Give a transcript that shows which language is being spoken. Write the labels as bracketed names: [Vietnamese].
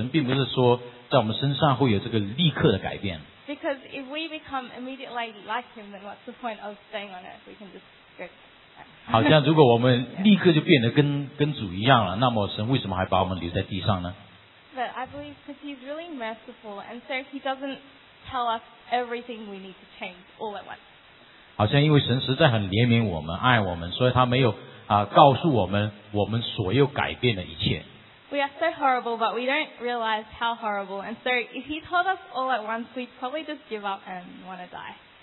[Chinese] 我所理解的就是说，神并不是说在我们身上会有这个立刻的改变。 [English] Because if we become immediately like him, then what's the point of staying on earth? We can just go. [Chinese] 好像如果我们立刻就变得跟主一样了，那么神为什么还把我们留在地上呢？ [English] But I believe because he's really merciful, and so he doesn't tell us everything we need to change all at once. [Chinese] 好像因为神实在很怜悯我们，爱我们，所以他没有告诉我们我们所有改变的一切。 [English] We are so horrible, but we don't realize how horrible. And so if he told us all at once, we'd probably just give up and want to die.